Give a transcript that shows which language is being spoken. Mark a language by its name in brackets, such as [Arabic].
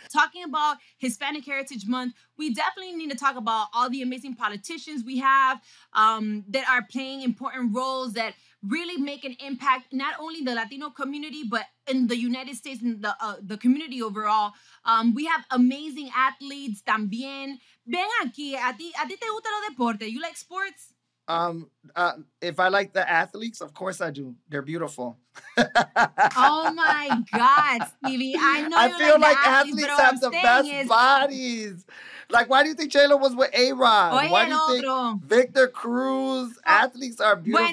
[English] Talking about Hispanic Heritage Month, we definitely need to talk about all the amazing politicians we have that are playing important roles that really make an impact, not only in the Latino community, but in the United States and the community overall. We have amazing athletes [Spanish] también. Ven aquí, a ti te gusta los deportes? [English] You like sports? If I like the athletes, of course I do. They're beautiful. Oh my God, Stevie. I know. I feel like the athletes have the best bodies. Like, why do you think J-Lo was with A-Rod? Why do you think Victor Cruz? Athletes are beautiful.